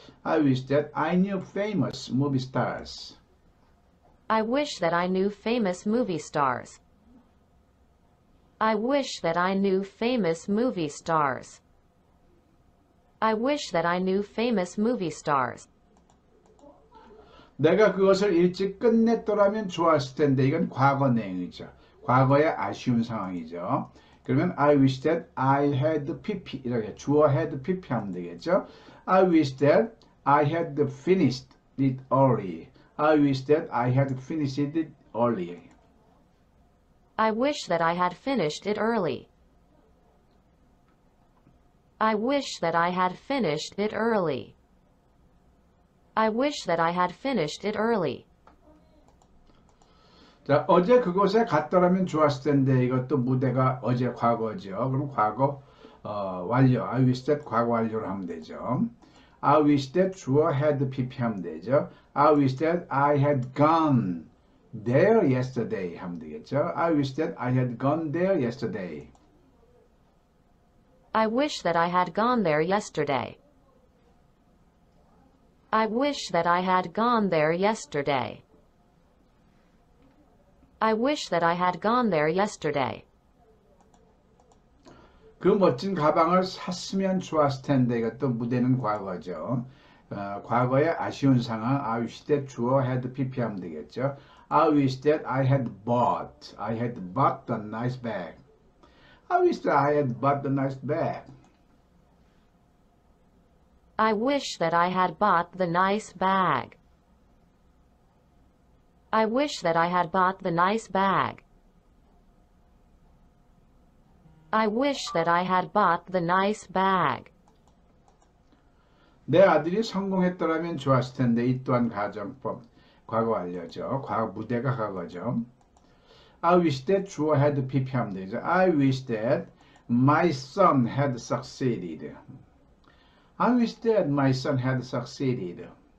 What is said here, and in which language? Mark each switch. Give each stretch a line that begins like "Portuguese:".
English: I wish that I knew famous movie stars. I wish that I knew famous movie stars. I wish that I knew famous movie stars. I wish that I knew famous movie stars.
Korean: 내가 그것을 일찍 끝냈더라면 좋았을 텐데 이건 과거 내용이죠. 과거의 아쉬운 상황이죠. 그러면
English: I wish that I had PP
Korean: 이렇게 주어
English: had PP
Korean: 하면 되겠죠.
English: I wish that I had finished it early. I wish that I had finished it early. I wish that I had finished it early. I wish that I had finished it early. I wish that I had finished it early.
Korean: 자, 어제 그곳에 갔더라면 좋았을 텐데 이것도 무대가 어제 과거죠. 그럼 과거 완료.
English: I wish that
Korean: 과거 완료로 하면 되죠.
English: I wish that
Korean: 주어
English: had PP
Korean: 하면 되죠.
English: I wish that I had gone there yesterday
Korean: 하면 되겠죠.
English: I wish that I had gone there yesterday. I wish that I had gone there yesterday. I wish that I had gone there yesterday. I wish that I had gone there yesterday.
Korean: 그 멋진 가방을 샀으면 좋았을 텐데 이것도 무대는 과거죠. 과거의 아쉬운 상황
English: I wish that
Korean: 주어
English: had PP
Korean: 하면 되겠죠.
English: I wish that I had bought the nice bag. I wish that I had bought the nice bag. I wish that I had bought the nice bag. I wish that I had bought the nice bag. I wish that I had bought the nice bag.
Korean: 내 아들이 성공했더라면 좋았을 텐데 이 또한 가정법 과거 완료죠. 과거 무대가 과거죠.
English: I wish that
Korean: 주어
English: had PP
Korean: 하면 되죠.
English: I wish that my son had succeeded. I wish that my son had succeeded.